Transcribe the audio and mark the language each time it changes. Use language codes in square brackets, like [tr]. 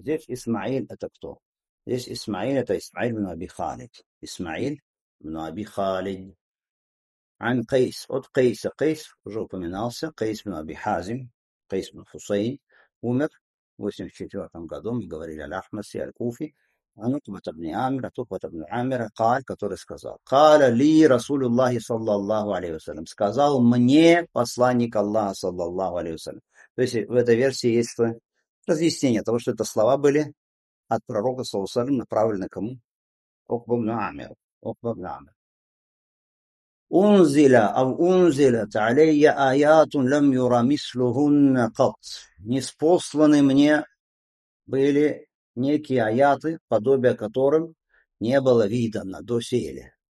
[ru] Здесь Исмаил это кто? Здесь Исмаил это Исмаил бин Аби Халид. Исмаил бин Аби Халид. Ан Кейс, от Кейса. Кейс уже упоминался, Кейс бин Аби Хазим, Кейс бин Хусейн, умер в 84 году, мы говорили Аль-Ахмаси, Аль-Куфи. [ar] عن عقبة بن عامر عقبة بن عامر قال [ru] который сказал [ar] قال لي رسول الله صلى الله عليه وسلم [ru] сказал мне посланник Аллаха [ar] صلى الله عليه وسلم. [ru] То есть в этой версии есть то разъяснение того, что это слова были от пророка صلى الله عليه وسلم, направлены кому? [ar] عقبة بن عامر. عقبة بن عامر أنزل أو أنزلت علي آيات لم يرى مثلهن قط. [ru] Ниспосланы мне были некие аяты, подобие которым не было видано до сели.